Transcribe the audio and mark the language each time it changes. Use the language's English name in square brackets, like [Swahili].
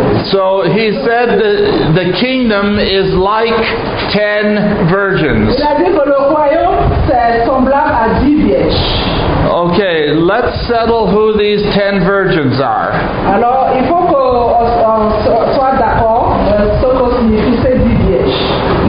[English] So he said the kingdom is like 10 virgins. [French] Il a dit que le royaume c'est semblable à 10 vierges. [English] Okay, let's settle who these 10 virgins are. [French] Alors, il faut qu'on soit d'accord ce que signifie ces 10 vierges.